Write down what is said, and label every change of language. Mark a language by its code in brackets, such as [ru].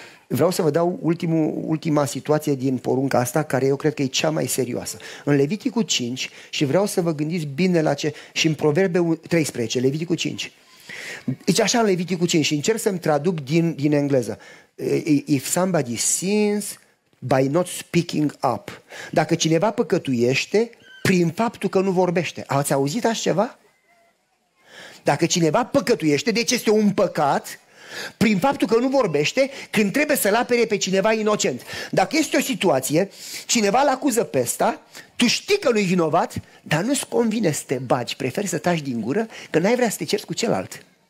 [ro] Vreau să vă dau ultima situație din porunca asta, care eu cred că e cea mai serioasă. În Leviticul 5, și vreau să vă gândiți bine la ce, și în Proverbe 13, Leviticul 5. Deci așa în Leviticul 5, și încerc să-mi traduc din engleză. [en] If somebody sins by not speaking up. [ro] Dacă cineva păcătuiește prin faptul că nu vorbește. Ați auzit așa ceva? Dacă cineva păcătuiește, deci este un păcat... Prin faptul că nu vorbește, când trebuie să-l apere pe cineva inocent. Dacă este o situație, cineva îl acuză pe ăsta, tu știi că nu-i vinovat, dar nu-ți convine să te bagi, preferi să taci din gură, că n-ai vrea să te ceri cu celălalt.